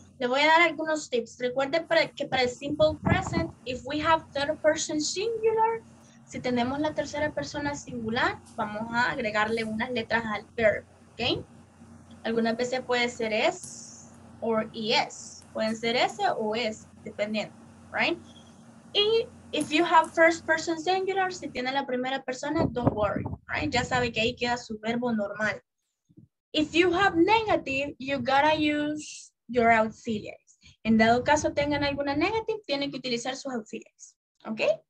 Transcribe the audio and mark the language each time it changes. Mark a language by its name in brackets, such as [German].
[Spanish] Le voy a dar algunos tips. Recuerde que para el simple present, [English] if we have third person singular, [Spanish] si tenemos la tercera persona singular, vamos a agregarle unas letras al verb, ¿ok? Algunas veces puede ser es o es. Pueden ser ese o es, dependiendo, right? Y [English] if you have first person singular, [Spanish] si tiene la primera persona, [English] don't worry, right? [Spanish] Ya sabe que ahí queda su verbo normal. [English] If you have negative, you gotta use your auxiliaries. [Spanish] En dado caso tengan alguna negative, tienen que utilizar sus auxiliaries, ¿ok?